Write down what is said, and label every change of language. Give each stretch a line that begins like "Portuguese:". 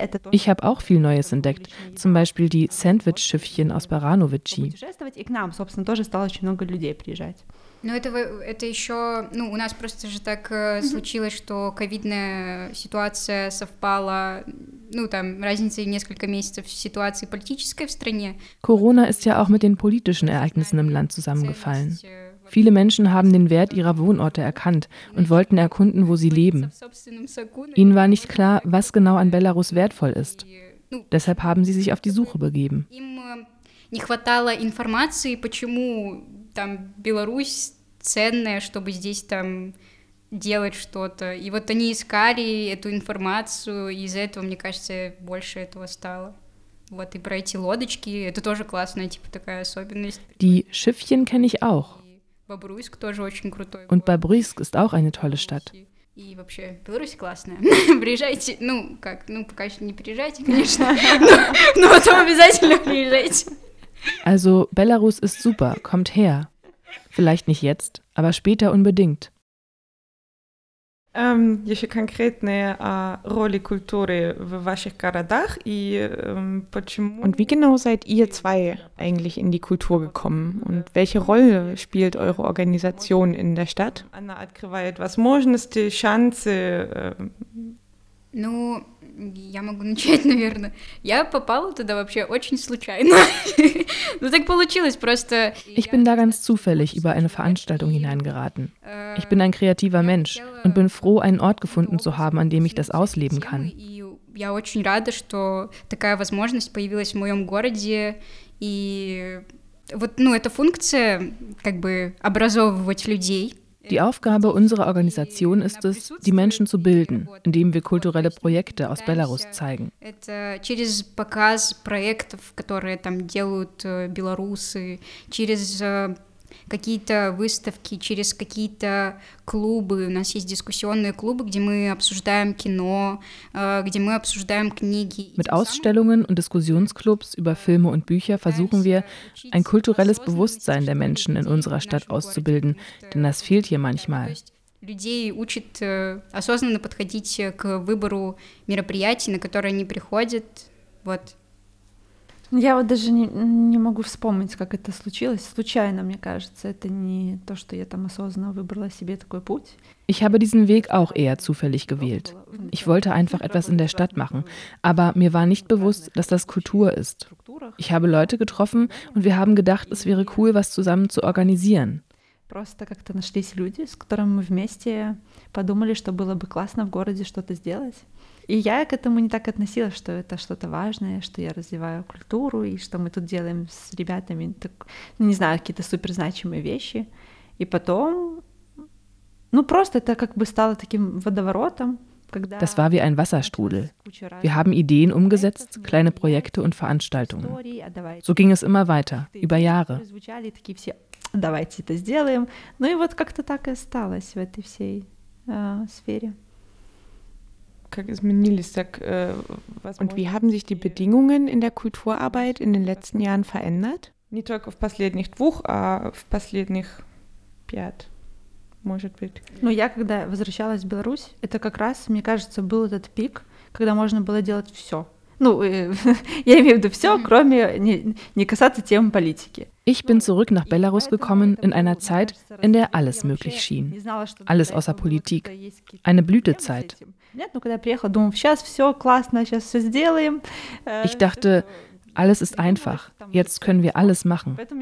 German: Ich habe auch viel Neues entdeckt, zum Beispiel die Sandwich-Schiffchen aus Баранович.
Russian: Путешествовать и к нам, собственно, тоже стало очень много людей приезжать. Ну это еще, ну у нас просто же так случилось, что ковидная ситуация совпала, ну там разница в несколько месяцев с ситуацией политической в стране.
German: Corona ist ja auch mit den politischen Ereignissen im Land zusammengefallen. Viele Menschen haben den Wert ihrer Wohnorte erkannt und wollten erkunden, wo sie leben. Ihnen war nicht klar, was genau an Belarus wertvoll ist. Deshalb haben sie sich auf die Suche begeben.
Russian: Не хватало информации, почему там Беларусь ценная, чтобы здесь там делать что-то. И вот они искали эту информацию, и из-за этого, мне кажется, больше этого стало. Вот и про эти лодочки, это тоже классная типа такая особенность.
German: Die Schiffchen kenne ich auch.
Russian: Бобруйск тоже очень крутой.
German: Und Бобруйск ist auch eine tolle Stadt.
Russian: И вообще, Беларусь классная. Приезжайте, ну как, ну пока еще не приезжайте, конечно, но потом обязательно приезжайте.
German: Also, Belarus ist super, kommt her. Vielleicht nicht jetzt, aber später unbedingt.
Russian: Еще конкретные роли культуры в ваших городах и почему...
German: Und wie genau seid ihr zwei eigentlich in die Kultur gekommen? Und welche Rolle spielt eure Organisation in der Stadt?
Russian: Она открывает возможности, шансы... Ну... Я могу начать, наверное. Я попала туда вообще очень случайно. Ну так получилось просто.
German: Ich bin da ganz zufällig über eine Veranstaltung hineingeraten. Ich bin ein kreativer Mensch und bin froh, einen Ort gefunden zu haben, an dem ich das ausleben kann.
Russian: Я очень рада, что такая возможность появилась в моем городе. И вот, ну, эта функция, как бы, образовывать людей.
German: Die Aufgabe unserer Organisation ist es, die Menschen zu bilden, indem wir kulturelle Projekte aus Belarus zeigen.
Russian: Через показ проектов, которые там делают белорусы, через какие-то выставки, через какие-то клубы. У нас есть дискуссионные клубы, где мы обсуждаем кино, где мы обсуждаем книги.
German: Mit Ausstellungen und Diskussionsclubs über Filme und Bücher versuchen wir, ein kulturelles Bewusstsein der Menschen in unserer Stadt auszubilden, denn das fehlt hier manchmal.
Russian: людей учит осознанно подходить к выбору мероприятий, на которые они приходят. Вот. Я вот даже не могу вспомнить, как это случилось. Случайно, мне кажется. Это не то, что я там осознанно выбрала себе такой путь.
German: Ich habe diesen Weg auch eher zufällig gewählt. Ich wollte einfach etwas in der Stadt machen, aber mir war nicht bewusst, dass das Kultur ist. Ich habe Leute getroffen und wir haben gedacht, es wäre cool, was zusammen zu organisieren.
Russian: Просто как-то нашлись люди, с которыми мы вместе подумали, что было бы классно в городе что-то сделать. И я к этому не так относилась, что это что-то важное, что я развиваю культуру и что мы тут делаем с ребятами, так, не знаю, какие-то суперзначимые вещи. И потом, ну просто это как бы стало таким водоворотом.
German: Das war wie ein Wasserstrudel. Wir haben Ideen umgesetzt, kleine Projekte und Veranstaltungen. So ging es immer weiter, über Jahre.
Russian: Давайте это сделаем. Ну и вот как-то так и осталось в этой всей сфере. Как изменились, так,
German: und wie haben sich die Bedingungen in der Kulturarbeit in den letzten Jahren verändert?
Russian: Не только в последних двух, а в последних пять, может быть. Ну я когда возвращалась в Беларусь, это как раз, мне кажется, был этот пик, когда можно было делать всё. Ну, я имею в виду всё, кроме не касаться темы политики.
German: Ich bin zurück nach Belarus gekommen in einer Zeit, in der alles möglich schien. Alles außer Politik. Eine Blütezeit. Ich dachte, alles ist einfach. Jetzt können wir alles machen.